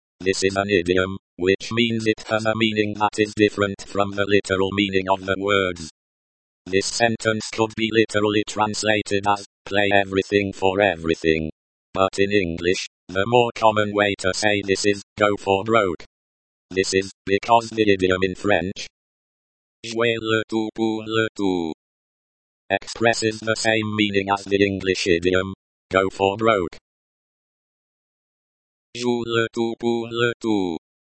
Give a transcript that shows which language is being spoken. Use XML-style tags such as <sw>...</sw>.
<en>This is an idiom, which means it has a meaning that is different from the literal meaning of the words. This sentence could be literally translated as, play everything for everything. But in English, the more common way to say this is, go for broke. This is, because the idiom in French,</en> <fr>jouer le tout pour le tout,</fr> <en>expresses the same meaning as the English idiom, go for broke.</en> <fr>Joue le tout pour le tout.</fr>